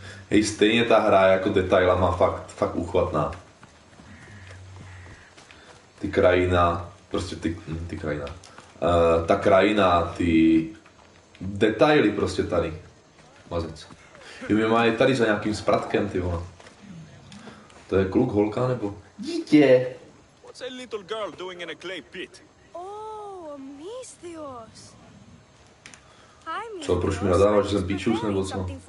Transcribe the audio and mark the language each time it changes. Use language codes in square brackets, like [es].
[cs] Hej, stejně ta hra jako detailama fakt, fakt uchvatná. Ty krajina, prostě ty krajina. Ta krajina, ty detaily prostě tady. Mazec. Jo, mě má je tady za nějakým spratkem, ty vole. To je kluk, holka, nebo? Dítě! [en] What's a little girl doing in a clay pit? Oh, Amistios! [cs] Co, proč mi nadáváš, že jsem píčus, nebo co?